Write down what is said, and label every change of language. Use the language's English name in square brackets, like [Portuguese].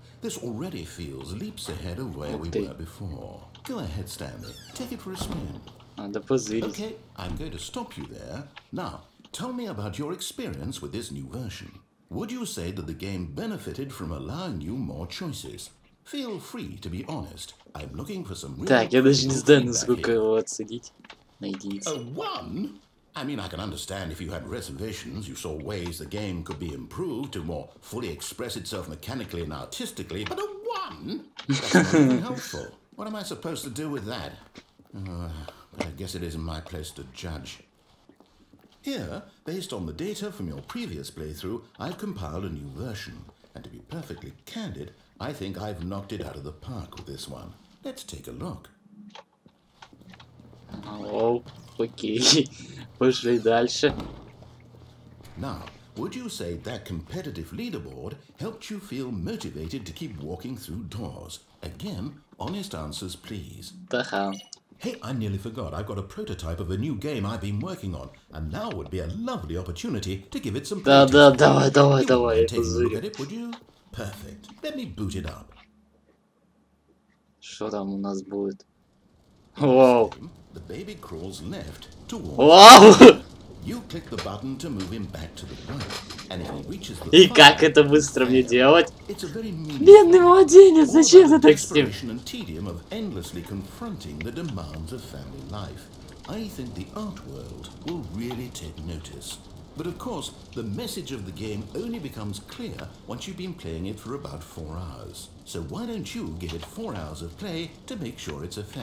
[English] This already feels leaps ahead of where we were before. Go ahead, Stanley. Take it for a spin. [Russian] Надо позырить. [English] Okay, I'm going to stop you there. Now, tell me about your experience with this new version. Would you say that the game benefited from allowing you more choices? Feel free to be honest. I'm looking for some real... [Russian] Так, я даже не знаю, насколько его отсадить. На единицу. [English] A one? I mean, I can understand if you had reservations, you saw ways the game could be improved to more fully express itself mechanically and artistically, but a one? That's not helpful. What am I supposed to do with that? I guess it isn't my place to judge. Here, based on the data from your previous playthrough, I've compiled a new version. And to be perfectly candid, I think I've knocked it out of the park with this one. Let's take a look. Oh, okay. [Russian] Пошли дальше. [English] Now, would you say that competitive leaderboard helped you feel motivated to keep walking through doors? Again, honest answers, please. The hell? Hey, I nearly forgot. I've got a prototype of a new game I've been working on, and now would be a lovely opportunity to give it some play. [Russian] Давай. [English] Take a look at it, would you? Perfect. Let me boot it up. [Russian] Что там у нас будет? [English] Wow. The baby crawls left towards. Wow. You click the button to move him back to the right. And if he reaches the fire... [Russian] И как это быстро мне делать? Бедный младенец, зачем за так с ним? [English] ...the and tedium of endlessly confronting the demands of family life. I think the art world will really take notice. But of course, the message of the game only becomes clear once you've been playing it for about 4 hours. So why don't you give it 4 hours of play to make sure it's a fair